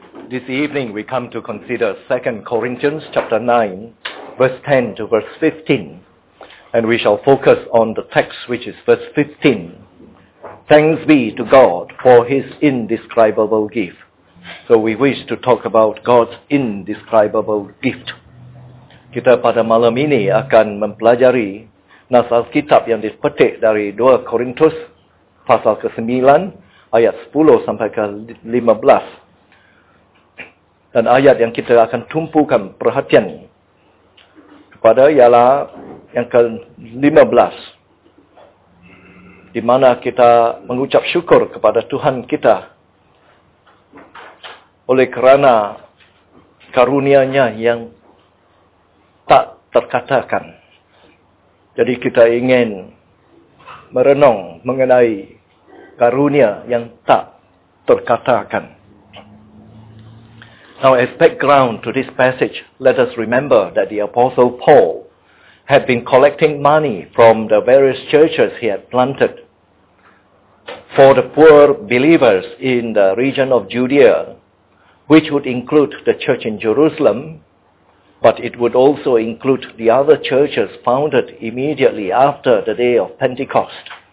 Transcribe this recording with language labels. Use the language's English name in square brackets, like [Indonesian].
[English] This evening we come to consider 2 Corinthians chapter 9, verse 10 to verse 15. And we shall focus on the text which is verse 15. Thanks be to God for His indescribable gift. So we wish to talk about God's indescribable gift. [Malay] Kita pada malam ini akan mempelajari nas Alkitab yang dipetik dari 2 Korintus pasal ke-9 ayat 10 sampai ke-15. Dan ayat yang kita akan tumpukan perhatian kepada ialah yang ke-15, di mana kita mengucap syukur kepada Tuhan kita oleh kerana karunia-Nya yang tak terkatakan. Jadi kita ingin merenung mengenai karunia yang tak terkatakan. [English] Now, as background to this passage, let us remember that the Apostle Paul had been collecting money from the various churches he had planted for the poor believers in the region of Judea, which would include the church in Jerusalem, but it would also include the other churches founded immediately after the day of Pentecost.